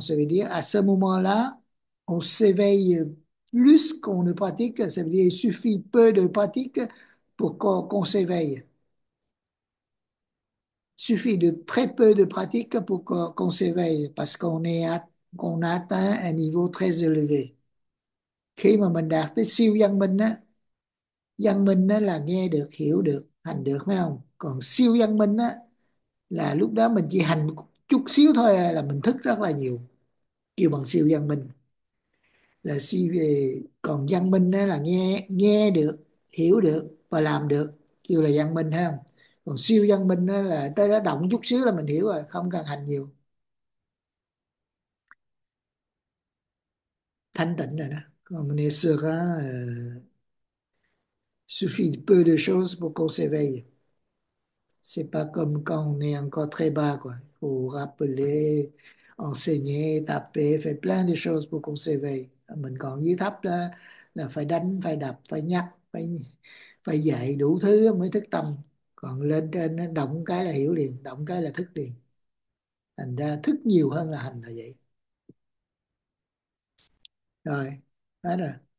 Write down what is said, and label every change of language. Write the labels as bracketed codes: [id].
[fr] Ça veut dire à ce moment-là, on s'éveille plus qu'on ne pratique. Ça veut dire il suffit peu de pratique pour qu'on s'éveille. Suffit de très peu de pratique pour qu'on s'éveille parce qu'on a atteint un niveau très élevé. [vi] Khi mà mình đạt tới siêu văn minh nó là nghe được, hiểu được, hành được, phải không? Còn siêu văn minh á là lúc đó mình chỉ hành chút xíu thôi là mình thức rất là nhiều, kêu bằng siêu văn minh. Là siêu về còn văn minh đó là nghe nghe được, hiểu được và làm được, kêu là văn minh, phải không? Còn siêu văn minh đó là tới đó động chút xíu là mình hiểu rồi, không cần hành nhiều. Thanh tịnh rồi đó. Còn mình xưa đó, [fr] suffit peu de choses pour qu'on s'éveille. C'est pas comme quand on est encore très bas, quoi. Faut rappeler, enseigner, taper, faire plein de choses pour qu'on s'éveille. [vi] Mình còn dưới thấp đó, là phải đánh, phải đập, phải nhắc, phải dạy đủ thứ mới thức tâm. Còn lên trên nó động cái là hiểu liền, động cái là thức liền. Thành ra thức nhiều hơn là hành là vậy. Rồi, hết rồi.